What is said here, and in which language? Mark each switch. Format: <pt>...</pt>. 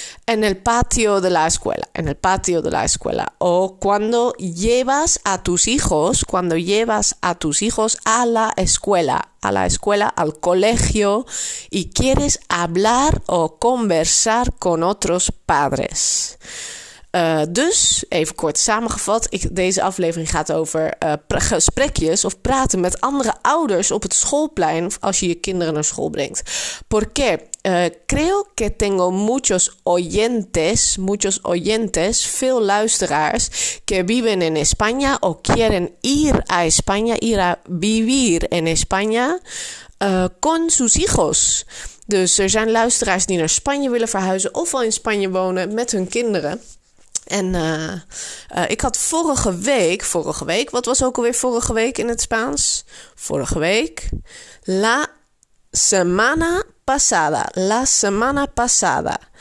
<es>En el patio de la escuela, en el patio de la escuela. O cuando llevas a tus hijos, cuando llevas a tus hijos a la escuela, al colegio, y quieres hablar o conversar con otros padres.</es> <nl>Dus, even kort samengevat, deze aflevering gaat over gesprekjes of praten met andere ouders op het schoolplein als je je kinderen naar school brengt.</nl> <es>¿Por qué? Creo que tengo muchos oyentes,</es> <nl>veel luisteraars,</nl> <es>que viven en España o quieren ir a España, ir a vivir en España con sus hijos.</es> <nl>Dus er zijn luisteraars die naar Spanje willen verhuizen of al in Spanje wonen met hun kinderen. En ik had vorige week, wat was ook alweer vorige week in het Spaans? Vorige week,</nl> <es>la semana pasada.</es>